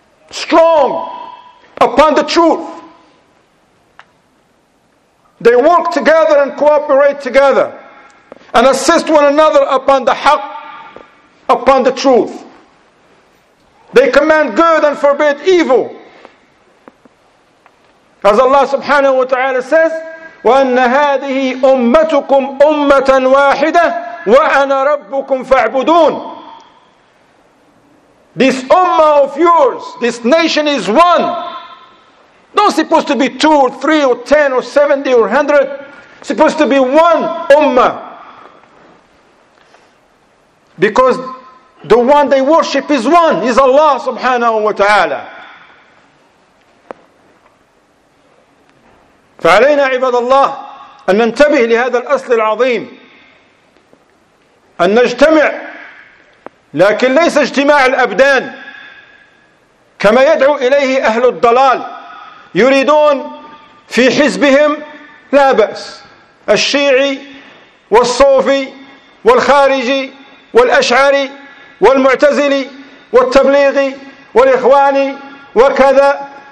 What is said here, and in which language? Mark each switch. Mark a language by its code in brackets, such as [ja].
[en] Strong upon the truth. They work together and cooperate together and assist one another upon the haq, upon the truth. They command good and forbid evil. As Allah subhanahu wa ta'ala says, [ar] وَأَنَّ هَذِهِ أُمَّتُكُمْ أُمَّةً وَاحِدَةً وَأَنَا رَبُّكُمْ فَاعْبُدُونَ. [en] This ummah of yours, this nation is one. Not supposed to be two or three or 10 or 70 or 100. Supposed to be one ummah. Because the one they worship is one, is Allah subhanahu wa ta'ala. [ar] فعلينا عباد الله أن ننتبه لهذا الأصل العظيم. أن نجتمع، لكن ليس اجتماع الأبدان كما يدعو إليه أهل الضلال. يريدون في حزبهم لا بأس، الشيعي والصوفي والخارجي والأشعري والمعتزلي والتبليغي والإخواني وكذا.